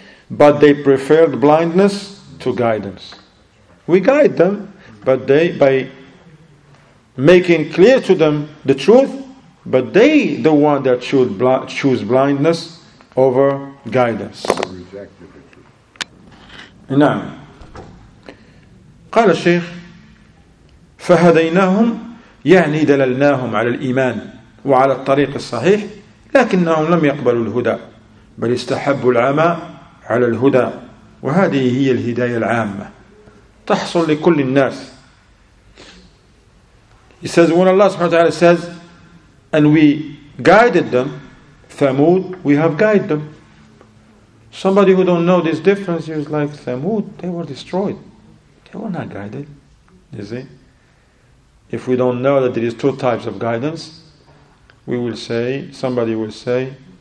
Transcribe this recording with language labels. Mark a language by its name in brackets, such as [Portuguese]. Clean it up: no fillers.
[English] But they preferred blindness to guidance. We guide them, but they, by making clear to them the truth, but they, the one that should choose blindness over guidance. [Arabic] Now, قال الشيخ فهديناهم يعني دللناهم على الإيمان وعلى الطريق الصحيح لكنهم لم يقبلوا الهدى بل استحبوا العمى على الهدى وهذه هي الهداية العامة تحصل لكل الناس. [English] He says, when Allah subhanahu wa ta'ala says, and we guided them, Thamud, we have guided them. Somebody who don't know this difference is like, Thamud, they were destroyed. They were not guided, you see. If we don't know that there is two types of guidance, we will say, somebody will say,